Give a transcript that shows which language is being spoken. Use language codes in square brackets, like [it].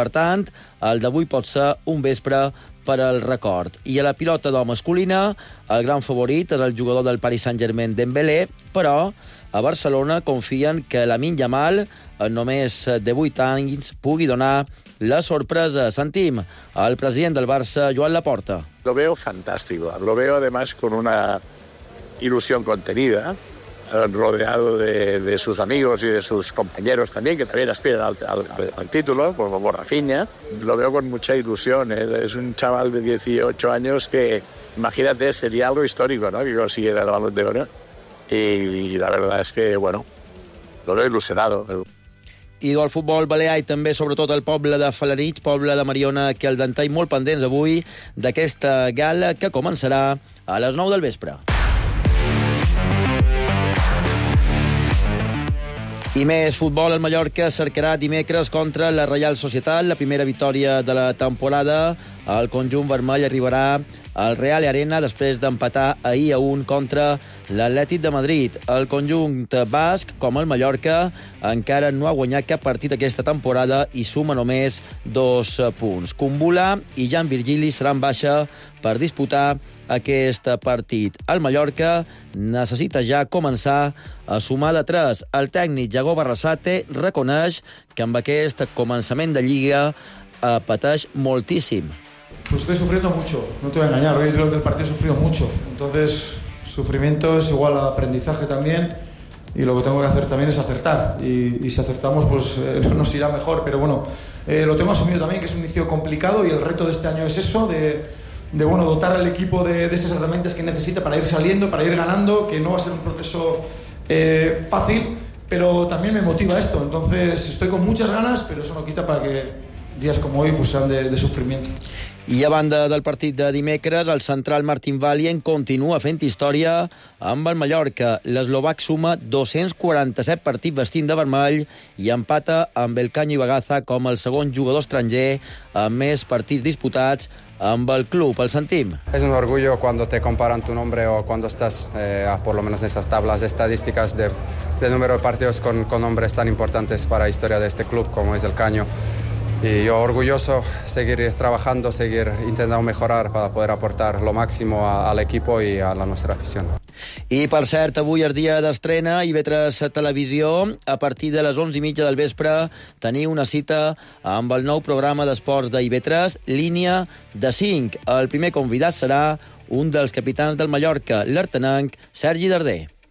[ca] Per tant, el d'avui pot ser un vespre per al record. I a la pilota d'or masculina, el gran favorit és el jugador del Paris Saint-Germain, Dembélé, però a Barcelona confien que Lamine Yamal, en només 18 anys, pugui donar la sorpresa. Sentim el president del Barça, Joan Laporta. [es] Lo veo fantástico. Lo veo, además, con una ilusión contenida, rodeado de sus amigos y de sus compañeros también, que también aspiran al título, como Rafinha. Lo veo con mucha ilusión, ¿eh? Es un chaval de 18 años que, imagínate, sería algo histórico, ¿no?, que consiguiera el Balón de Oro. Y la verdad es que, bueno, lo veo ilusionado. [ca] I del futbol balear i també, sobretot, el poble de Felanitx, poble de Mariona Caldentall, molt pendents avui d'aquesta gala que començarà a les 9 del vespre. I més futbol, el Mallorca cercarà dimecres contra la Reial Societat. La primera victòria de la temporada, el conjunt vermell arribarà al Real Arena després d'empatar ahir a 1 contra l'Atlètic de Madrid. El conjunt basc, com el Mallorca, encara no ha guanyat cap partit aquesta temporada i suma només 2 punts. Cumbula i Jan Virgili seran baixa per disputar aquest partit. El Mallorca necessita ja començar a sumar de 3. El tècnic Jagoba Arrasate reconeix que amb aquest començament de Lliga pateix moltíssim. [es] Pues estoy sufriendo mucho, no te voy a engañar. Hoy durante el partido he sufrido mucho. Entonces, sufrimiento es igual a aprendizaje también. Y lo que tengo que hacer también es acertar. Y si acertamos, pues nos irá mejor. Pero bueno, lo tengo asumido también, que es un inicio complicado. Y el reto de este año es eso, de dotar al equipo de esas herramientas que necesita para ir saliendo, para ir ganando, que no va a ser un proceso fácil, pero también me motiva esto. Entonces estoy con muchas ganas, pero eso no quita para que días como hoy pues sean de sufrimiento. [ca] I a banda del partit de dimecres, el central Martin Valien continua fent història amb el Mallorca. L'eslovac suma 247 partits vestint de vermell i empata amb el Caño Ibagaza com el segon jugador estranger amb més partits disputats amb el club. El sentim. [es] Es un orgullo cuando te comparan tu nombre o cuando estás por lo menos en esas tablas estadísticas de número de partidos con nombres tan importantes para la historia de este club como es el Caño. Y yo orgulloso, seguir trabajando, seguir intentando mejorar para poder aportar lo máximo al equipo y a la nuestra afición. [ca] I, per cert, avui és dia d'estrena i Vetres Televisió. A partir de les 11:30 del vespre teniu una cita amb el nou programa d'esports d'Ivetres, Línia de 5. El primer convidat serà un dels capitans del Mallorca, l'artenenc Sergi Darder.